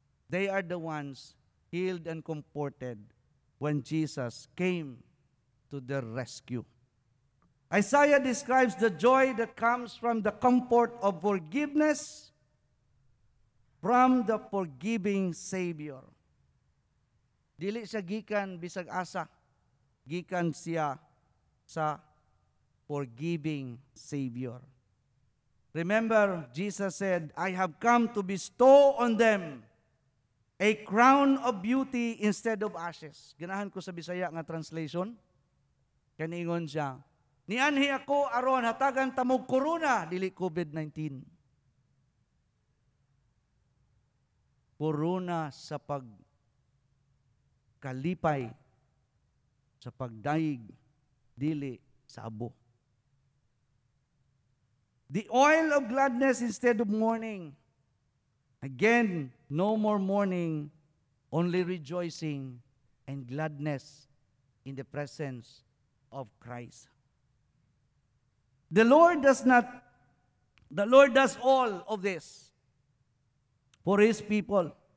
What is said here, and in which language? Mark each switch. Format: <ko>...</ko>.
<en>They are the ones healed and comforted when Jesus came to their rescue. Isaiah describes the joy that comes from the comfort of forgiveness from the forgiving Savior.</en> <ceb>Dili siya gikan bisag asa, gikan siya sa forgiving Savior.</ceb> <en>Remember, Jesus said, "I have come to bestow on them a crown of beauty instead of ashes."</en> <ceb>Ganahan ko sa Bisaya nga translation. Kaniingon siya, "Nianhi ako aron hatagan tamog corona, dili COVID-19. Corona sa pagkalipay, sa pagdaig, dili sa abo.</ceb> <en>The oil of gladness instead of mourning. Again, no more mourning, only rejoicing and gladness in the presence of Christ. The Lord does all of this for His people.</en>